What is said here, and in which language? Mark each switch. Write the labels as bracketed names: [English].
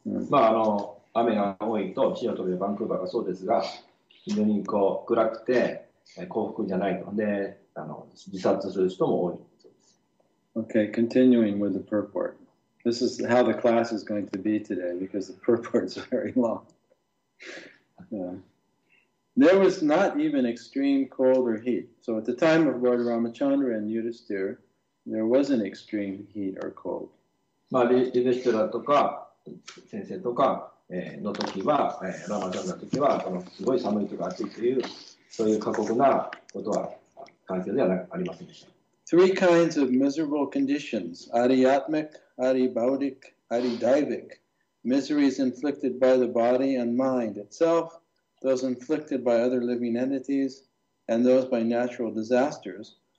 [Japanese] まあ、雨が多いと、シアトルやバンクーバーがそうですが、非常にこう暗くて、幸福じゃないので、自殺する人も多いそうです。 [English] Okay, continuing with the purport. This is how the class is going to be today, because the purport is very long. There was not even extreme cold or heat. So at the time of Lord Ramachandra and Yudhisthira, there wasn't extreme heat or cold. [Japanese] まあ、ユディシュラとか先生とかの時は、ラマチャンダの時は、このすごい寒いとか暑いという、そういう過酷なことは環境ではありませんでした。 [English] Three kinds of miserable conditions, ariyatmik, aribhautik, aridaivik, miseries inflicted by the body and mind itself,those inflicted by other living entities, and those by natural disasters,